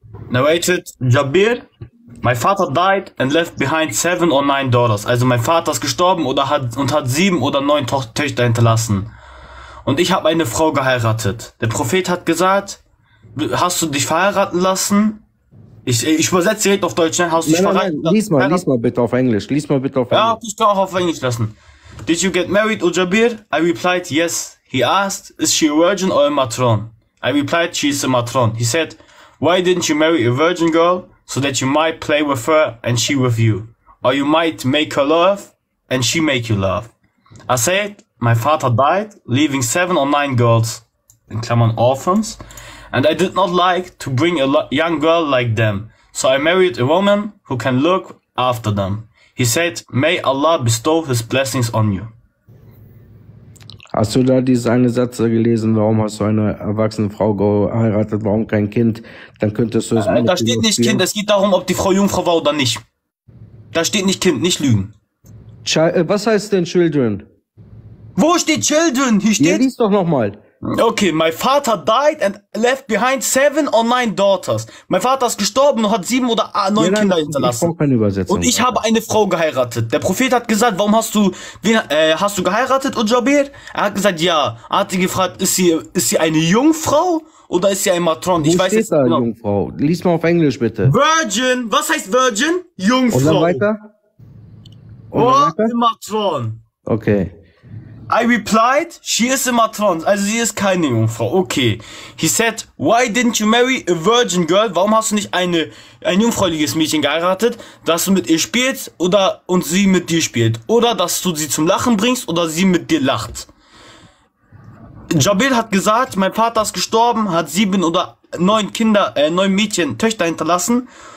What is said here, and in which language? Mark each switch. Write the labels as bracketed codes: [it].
[en] Narrated, Jabir, my father died and left behind 7 or 9 daughters. [de] Also mein Vater ist gestorben oder hat und hat 7 oder 9 Töchter hinterlassen. Und ich habe eine Frau geheiratet. Der Prophet hat gesagt, hast du dich verheiraten lassen? Ich übersetze direkt auf Deutsch, ne? Hast du dich verheiratet lassen? Lies mal bitte auf Englisch. Ja, ich kann auch auf Englisch lassen. [en] Did you get married, O Jabir? I replied, yes. He asked, is she a virgin or a matron? I replied, she is a matron. He said, why didn't you marry a virgin girl so that you might play with her and she with you? Or you might make her love and she make you love. I said, my father died, leaving 7 or 9 girls, [de] in Klammern [en] orphans, and I did not like to bring a young girl like them. So I married a woman who can look after them. He said, may Allah bestow his blessings on you. [de] Hast du da diesen einen Satz gelesen, warum hast du eine erwachsene Frau geheiratet, warum kein Kind? Dann könntest du es da steht nicht Kind, es geht darum, ob die Frau Jungfrau war oder nicht. Da steht nicht Kind, nicht lügen. Was heißt denn Children? Wo steht Children? Hier steht. Ja, lies doch nochmal. [en] Okay, my father died and left behind 7 or 9 daughters. [de] Mein Vater ist gestorben und hat 7 oder 9 Kinder hinterlassen. Ich brauche keine Übersetzung. Und ich habe eine Frau geheiratet. Der Prophet hat gesagt, warum hast du, hast du geheiratet, Ujabir? Er hat gesagt, ja. Er hat sie gefragt, ist sie eine Jungfrau oder ist sie ein Matron? Wo ich weiß steht jetzt, da, genau. Jungfrau? Lies mal auf Englisch, bitte. Virgin. Was heißt Virgin? Jungfrau. Und dann weiter? Und weiter? Matron. Okay. [en] I replied, she is a matron, [de] also sie ist keine Jungfrau, okay. [en] He said, why didn't you marry a virgin girl? [de] Warum hast du nicht ein jungfräuliches Mädchen geheiratet, dass du mit ihr spielst oder und sie mit dir spielt? Oder dass du sie zum Lachen bringst oder sie mit dir lacht? Jabil hat gesagt, mein Vater ist gestorben, hat 7 oder 9 Kinder, 9 Mädchen, Töchter hinterlassen.